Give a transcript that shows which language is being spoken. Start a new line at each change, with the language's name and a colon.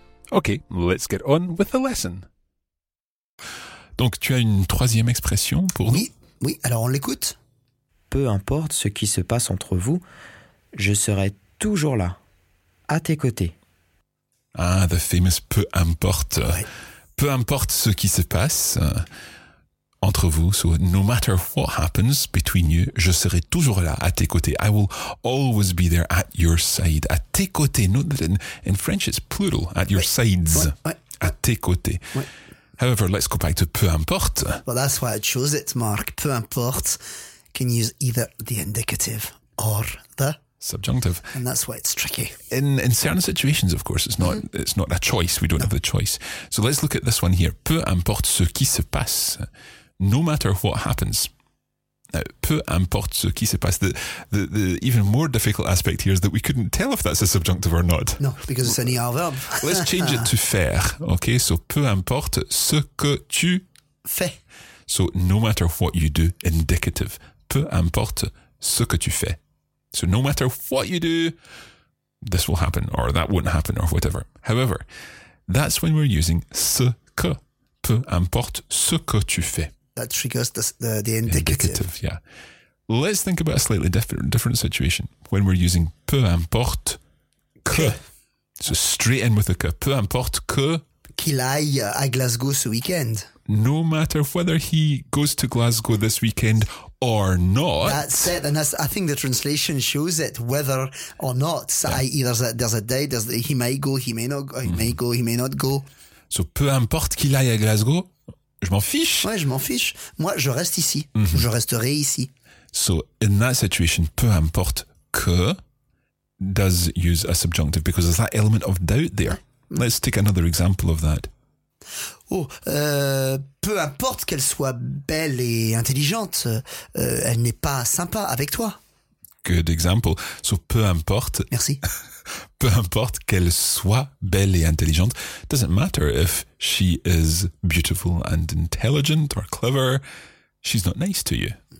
English: Ok, let's get on with the lesson.
French: Donc, tu as une troisième expression pour nous? Oui, alors on l'écoute. Peu importe ce qui se passe entre vous, je serai toujours là, à tes côtés.
English: Ah, the famous peu importe.
French: Oui. Peu importe ce qui se passe entre vous.
English: So, no matter what happens between you,
French: je serai toujours là à tes côtés.
English: I will always be there at your side.
French: À tes côtés.
English: Note that in French, it's plural. At your
French: oui.
English: sides.
French: Oui. À tes côtés. Oui.
English: However, let's go back to peu importe. Well, that's why I chose it, Mark. Peu importe can use either the indicative or the subjunctive. And that's why it's tricky. In certain situations, of course, it's not a choice. We don't have the choice. So let's look at this one here.
French: Peu importe ce qui se passe.
English: No matter what happens.
French: Now, peu importe ce qui se passe.
English: The even more difficult aspect here is that we couldn't tell if that's a subjunctive or not. No, because it's an ER verb. Let's change it to faire. Okay, so
French: peu importe ce que tu fais.
English: So no matter what you do, indicative.
French: Peu importe ce que tu fais.
English: So no matter what you do, this will happen, or that won't happen, or whatever. However, that's when we're using ce que.
French: Peu importe ce que tu fais.
English: That triggers the indicative. Indicative, yeah. Let's think about a slightly different situation. When we're using peu importe que. So straight in with the que.
French: Peu importe que. Qu'il aille à Glasgow ce weekend.
English: No matter whether he goes to Glasgow this weekend or not. That's it. And that's, I think the translation shows it, whether or not. So yeah. I.e. there's a day, he might go, he may not go, he may go, he may not go.
French: So peu importe qu'il aille à Glasgow, je m'en fiche. Ouais, je m'en fiche. Moi, je reste ici. Je resterai ici.
English: So in that situation, peu importe que does use a subjunctive because there's that element of doubt there. Mm. Let's take another example of that.
French: Oh, peu importe qu'elle soit belle et intelligente, elle n'est pas sympa avec toi.
English: Good example. So, peu importe.
French: Merci. Peu importe qu'elle soit belle et intelligente,
English: doesn't matter if she is beautiful and intelligent or clever, she's not nice to you.